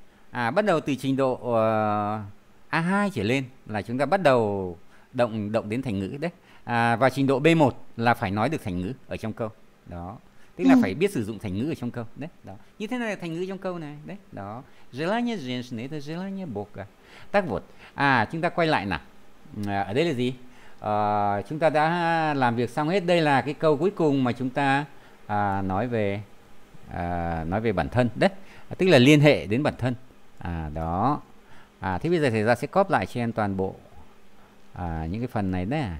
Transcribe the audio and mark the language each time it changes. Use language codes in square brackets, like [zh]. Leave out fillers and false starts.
[vi] À bắt đầu từ trình độ A2 trở lên là chúng ta bắt đầu động động đến thành ngữ đấy. À, và trình độ B1 là phải nói được thành ngữ ở trong câu. Đó. Tức là phải biết sử dụng thành ngữ ở trong câu đấy đó, như thế này là thành ngữ trong câu này đấy đó. [ru] Желание женщины это желание Бога. Так вот, [vi] à chúng ta quay lại nào. Ở đây là gì? Chúng ta đã làm việc xong hết, đây là cái câu cuối cùng mà chúng ta nói về bản thân đấy, tức là liên hệ đến bản thân. À đó. À thế bây giờ thầy ra sẽ cóp lại cho em toàn bộ những cái phần này đấy.